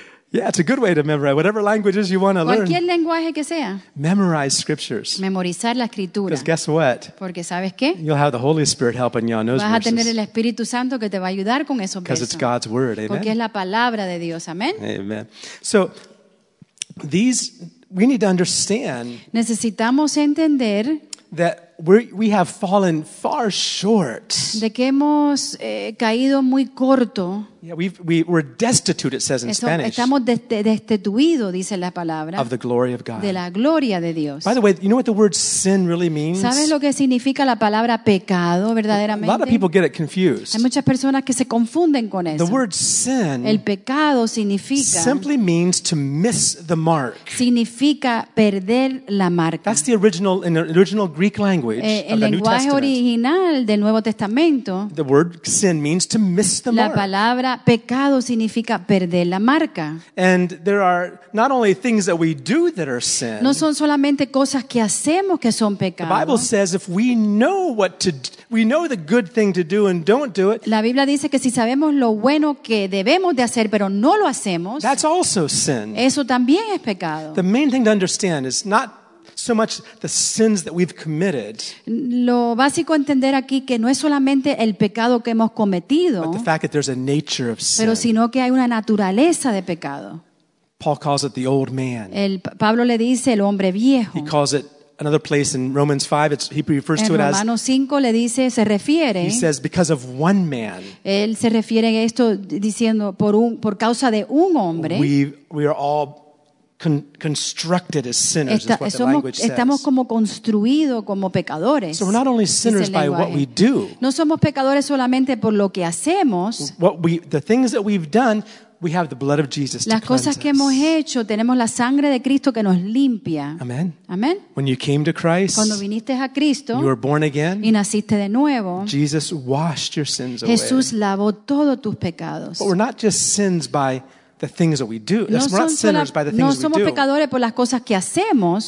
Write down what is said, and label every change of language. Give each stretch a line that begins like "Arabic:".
English: Yeah, it's a good way to memorize whatever languages you want to learn.
Spanish: Cualquier lenguaje que sea.
English: Memorize scriptures.
Spanish: Memorizar la escritura.
English: Because guess what?
Spanish: Porque sabes qué?
English: You'll have the Holy Spirit helping you on those verses.
Spanish: Vas a tener el Espíritu Santo que te va a ayudar con esos versos.
English: Because it's God's word, amen.
Spanish: Porque es la palabra de Dios, amen.
English: Amen. So we need to understand.
Spanish: Necesitamos entender
English: that we have fallen far short.
Spanish: De que hemos caído muy corto.
English: Yeah, we're destitute, it says in Spanish.
Spanish: Estamos destituidos, dice la palabra.
English: Of the glory of God.
Spanish: De la gloria de Dios.
English: By the way, you know what the word sin really means?
Spanish: ¿Sabes lo que significa la palabra pecado verdaderamente?
English: A lot of people get it confused.
Spanish: Hay muchas personas que se confunden con eso.
English: The word sin.
Spanish: El pecado significa.
English: Simply means to miss the mark.
Spanish: Significa perder la marca.
English: That's the original in the original Greek language of the New Testament.
Spanish: El lenguaje original del Nuevo Testamento.
English: The word sin means to miss the mark.
Spanish: La palabra pecado significa perder la marca.
English: And there are not only things that we do that are sin.
Spanish: No son solamente cosas que hacemos que son pecados.
English: The Bible says if we know what to do, we know the good thing to do and don't do it.
Spanish: La Biblia dice que si sabemos lo bueno que debemos de hacer pero no lo hacemos.
English: That's also sin.
Spanish: Eso también es pecado.
English: The main thing to understand is not so much the sins that we've committed.
Spanish: Lo básico entender aquí que no es solamente el pecado que hemos cometido,
English: but the fact that there's a nature of sin.
Spanish: Pero sino que hay una naturaleza de pecado.
English: Paul calls it the old man.
Spanish: Pablo le dice el hombre viejo.
English: He calls it another place in Romans 5, he refers
Spanish: en
English: to it as.
Spanish: Romanos 5 le dice, se refiere. He says because of one man. Él se refiere a esto diciendo por causa de un hombre. We are all constructed as sinners, is what the language says. Estamos como construidos como pecadores. So we're not only sinners by what we do. No somos pecadores solamente por lo que hacemos. The things that we've done, we have the blood of Jesus to Las cosas que hemos hecho, tenemos la sangre de Cristo que nos limpia. Amen. Amen.
English: When you came to Christ,
Spanish: cuando viniste a Cristo,
English: you were born again,
Spanish: y naciste de nuevo,
English: Jesus washed your sins
Spanish: Jesús
English: away.
Spanish: Jesús lavó todos tus pecados.
English: But we're not just sins by the things that we do. We're not sinners by the things we do.
Spanish: No somos pecadores por las cosas que hacemos.